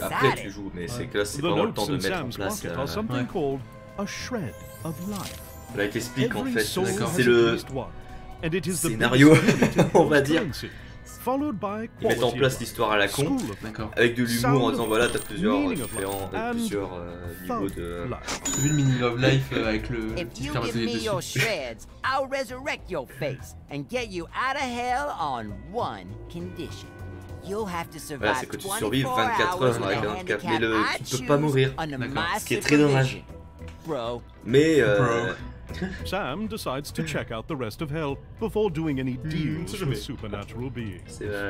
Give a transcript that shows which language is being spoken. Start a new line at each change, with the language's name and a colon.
French: Après tu joues, mais c'est que là c'est vraiment le temps de mettre en place.
English: The notes in Sam's pocket are something called a shred of life.
French: Explique en fait, c'est le scénario, on va dire. Ils mettent en place l'histoire à la con, avec de l'humour en disant voilà, t'as plusieurs différents, plusieurs niveaux de. T'as vu le
English: meaning of life
French: avec le.
English: If you give me your shreds, I'll resurrect your face and get you out of hell on one condition. You'll have to survive.
French: Voilà, c'est que tu survives 24 heures avec un handicap, mais le, tu peux pas mourir, d'accord. Ce qui est très dommage.
English: Bro.
French: Mais.
English: Sam decides to check out the rest of hell before doing any deals with supernatural beings.